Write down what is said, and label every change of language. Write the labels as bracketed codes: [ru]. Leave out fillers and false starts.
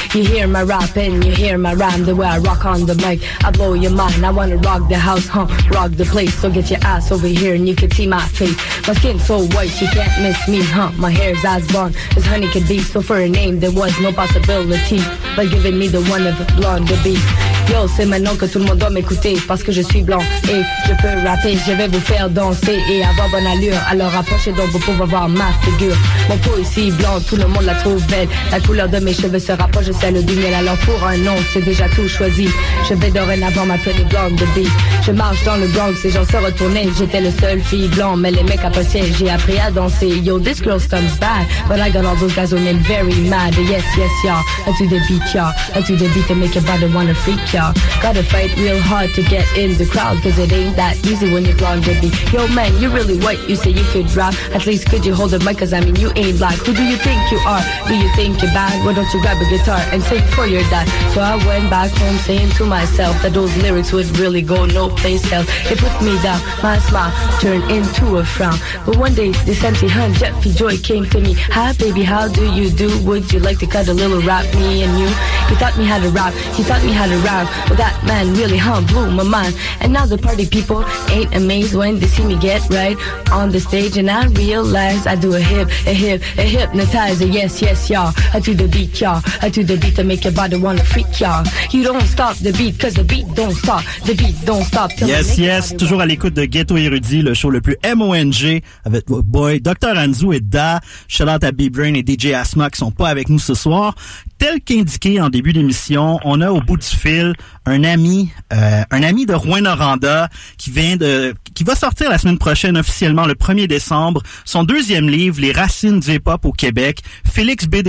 [en] You hear my rap and you hear my rhyme. The way I rock on the mic, I blow your mind. I wanna rock the house, huh, rock the place. So get your ass over here and you can see my face. My skin's so white, you can't miss me, huh. My hair's as blonde as honey could be. So for a name, there was no possibility by giving me the one of blonde to be. [fr] Yo, c'est maintenant que tout le monde doit m'écouter, parce que je suis blanc et je peux rapper. Je vais vous faire danser et avoir bonne allure, alors approchez donc pour pouvoir voir ma figure. Mon peau est si blanc, tout le monde la trouve belle. La couleur de mes cheveux se rapproche de celle du miel. Alors pour un nom, c'est déjà tout choisi. Je vais dorénavant m'appeler Blonde de B. Je marche dans le Bronx et j'en sais retourner. J'étais le seul fille blanc, mais les mecs appréciaient. J'ai appris à danser. [en] Yo, this girl stomps bad, but I got all those guys on it very mad. Yes, yes, y'all, I do the beat, y'all. I do the beat to make your body wanna freak, y'all. Gotta fight real hard to get in the crowd, cause it ain't that easy when you're blonde to be. Yo man, you really white, you say you could rap. At least could you hold a mic, cause I mean you ain't black. Who do you think you are? Do you think you're bad? Why don't you grab a guitar and sing for your dad? So I went back home saying to myself that those lyrics would really go no place else. They put me down, my smile turned into a frown. But one day, this empty hun, Jeffy Joy came to me. Hi baby, how do you do? Would you like to cut a little rap, me and you? He taught me how to rap, he taught me how to rap. But that man really, huh, blew my mind. And now the party people ain't amazed when they see me get right on the stage. And I realize I do a hypnotizer. Yes, yes, y'all, I do the beat, y'all. I do the beat to make your body wanna freak, y'all. You don't stop the beat, cause the beat don't stop. The beat don't stop. [fr] Yes, yes, toujours à l'écoute de Ghetto Erudit, le show le plus M-O-N-G avec votre boy Dr. Anzu et Da. Shout out à B-Brain et DJ Asma qui sont pas avec nous ce soir. Tel qu'indiqué en début d'émission, on a au bout du fil un ami de Rouyn-Noranda qui va sortir la semaine prochaine officiellement le 1er décembre son deuxième livre, Les Racines du Hip-Hop au Québec, Félix B.